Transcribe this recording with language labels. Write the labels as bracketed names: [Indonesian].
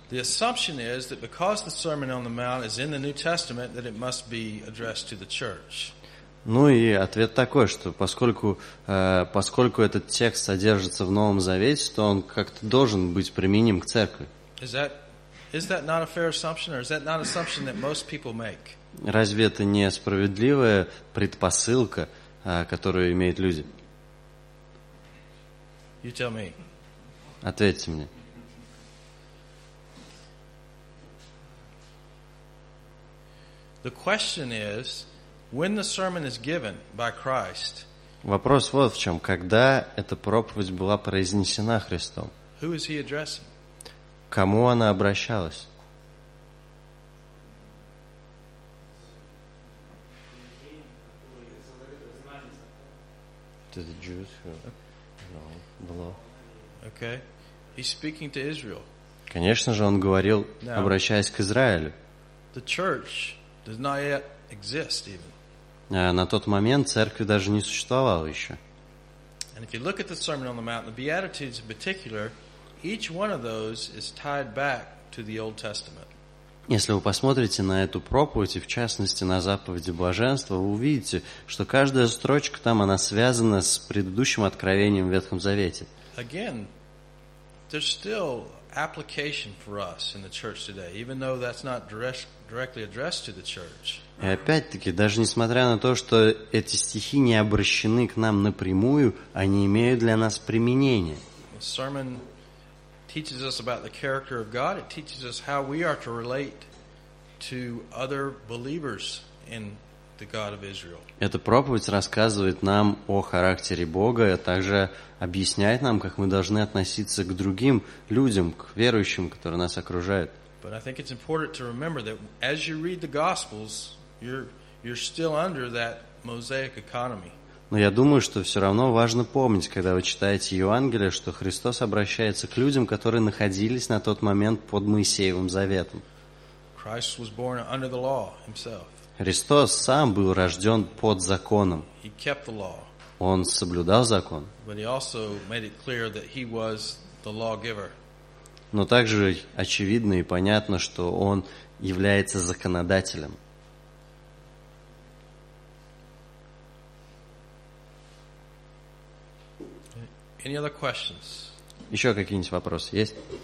[English] The assumption is that because the Sermon on the Mount is in the New Testament, that it must be addressed to the church. [Russian] Ну и ответ такой, что поскольку этот текст содержится в Новом Завете, то он как-то должен быть применим к церкви. [English] Is that not a fair assumption, or is that not an assumption that most people make? [Russian] Разве это не справедливая предпосылка, которую имеют люди? [English] You tell me. [Russian] Ответьте мне. [English] The question is, when the sermon is given by Christ. [Russian] Вопрос вот в чем: когда эта проповедь была произнесена Христом? [English] Who is he addressing? [Russian] Кому она обращалась? [English] To the Jews who know the law. Okay. He's speaking to Israel. [Russian] Конечно же, он говорил, [English] now, [Russian] обращаясь к Израилю. [English] The church does not yet exist even. [Russian] На тот момент церкви даже не существовало еще. [English] And if you look at the Sermon on the Mount, the Beatitudes in particular, each one of those is tied back to the Old Testament. [Russian] Если вы посмотрите на эту проповедь, и в частности на заповеди блаженства, вы увидите, что каждая строчка там, она связана с предыдущим откровением в Ветхом Завете. [English] Again, there's still application for us in the church today, even though that's not directly addressed to the church. [Russian] И опять-таки, даже несмотря на то, что эти стихи не обращены к нам напрямую, они имеют для нас применение. [English] The sermon teaches us about the character of God. It teaches us how we are to relate to other believers in the God of Israel. [Russian] Эта проповедь рассказывает нам о характере Бога, а также объясняет нам, как мы должны относиться к другим людям, к верующим, которые нас окружают. [English] But I think it's important to remember that as you read the Gospels, you're still under that Mosaic economy. [Russian] Но я думаю, что все равно важно помнить, когда вы читаете Евангелие, что Христос обращается к людям, которые находились на тот момент под Моисеевым заветом. [English] Christ was born under the law himself. [Russian] Христос сам был рожден под законом. [English] He kept the law. [Russian] Он соблюдал закон. [English] But he also made it clear that he was the lawgiver. [Russian] Но также очевидно и понятно, что он является законодателем. [English] Any other questions? [Russian] Еще какие-нибудь вопросы есть?